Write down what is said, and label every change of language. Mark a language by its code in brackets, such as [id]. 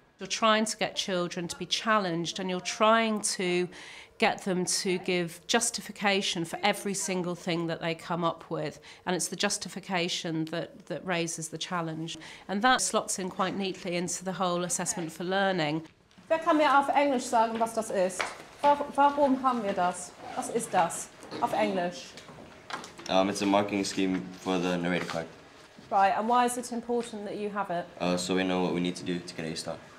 [en] You're trying to get children to be challenged and you're trying to get them to give justification for every single thing that they come up with. And it's the justification that raises the challenge. And that slots in quite neatly into the whole assessment for learning. [de] Wer kann mir auf Englisch sagen, was das ist? Warum haben wir das? Was ist das auf Englisch? [en] It's a marking scheme for the narrator card. Right, and why is it important that you have it? So we know what we need to do to get a start.